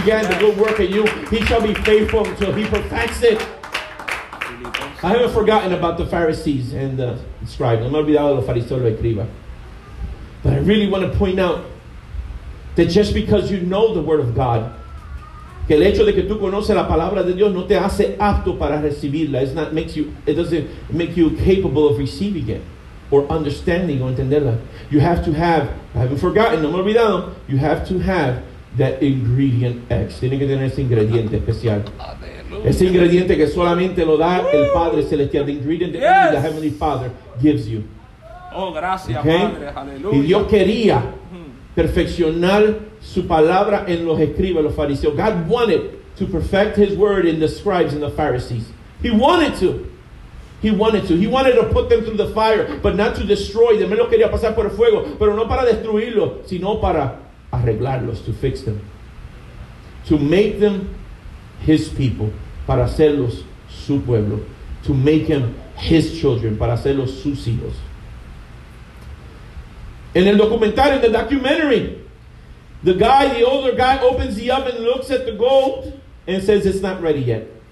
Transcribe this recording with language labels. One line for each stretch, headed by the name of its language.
English: began yes. the good work in you, he shall be faithful until he perfects it. I haven't forgotten about the Pharisees and the scribes.
Spanish: No me he olvidado de los fariseos y los escribas.
English: But I really want to point out that just because you know the word of God
Spanish: Que el hecho de que tú conoces la palabra de Dios no te hace apto para recibirla.
English: It's not makes you, it doesn't make you capable of receiving it or understanding
Spanish: o entenderla.
English: You have to have, I haven't forgotten,
Spanish: no me he olvidado,
English: you have to have that ingredient X.
Spanish: Tiene que tener ese ingrediente especial. Ese ingrediente que solamente lo da el Padre Celestial.
English: The ingredient that the Heavenly Father gives you.
Spanish: Oh, gracias, okay? Padre. Aleluya. Y Dios quería perfeccionar su palabra en los escribas, los fariseos.
English: God wanted to perfect his word in the scribes and the Pharisees. He wanted to. He wanted to. He wanted to put them through the fire, but not to destroy them.
Spanish: Él lo quería pasar por el fuego, pero no para destruirlos, sino para arreglarlos,
English: to fix them. To make them his people,
Spanish: para hacerlos su pueblo.
English: To make them his children,
Spanish: para hacerlos sus hijos. En el documental,
English: in the documentary, the guy, the older guy, opens the oven, looks at the gold, and says, it's not ready yet.